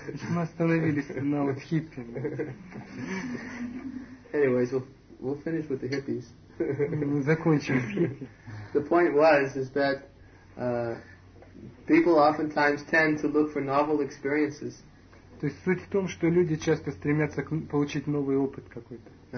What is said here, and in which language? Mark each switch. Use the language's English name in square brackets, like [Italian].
[Russian] Мы остановились на вот хиппи. [English] Anyways, we'll finish with the hippies. [Russian] Закончим. [English] The point was is that. People oftentimes tend to look for novel experiences. [Russian] То есть суть в том, что люди часто стремятся получить новый опыт какой-то.